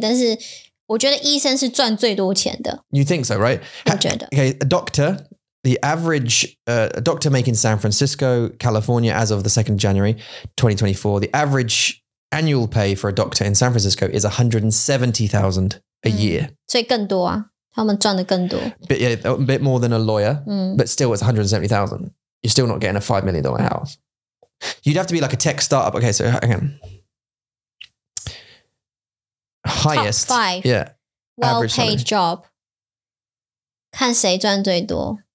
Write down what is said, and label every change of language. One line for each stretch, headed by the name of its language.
Chinese: 但是我觉得医生是赚最多钱的。
English: You think so, right?
Chinese: 我觉得。
English: Okay, a doctor. The average doctor making San Francisco, California, as of the 2nd January, 2024. The average. Annual pay for a doctor in San Francisco is $170,000 a year.
Chinese: 所以更多啊，他们赚的更多。
English: But yeah, a bit more than a lawyer, but still it's $170,000. You're still not getting a $5 million house. You'd have to be like a tech startup. Okay, so hang on. Highest. Top five. Yeah. Well-paid job.
Chinese: 看谁赚最多。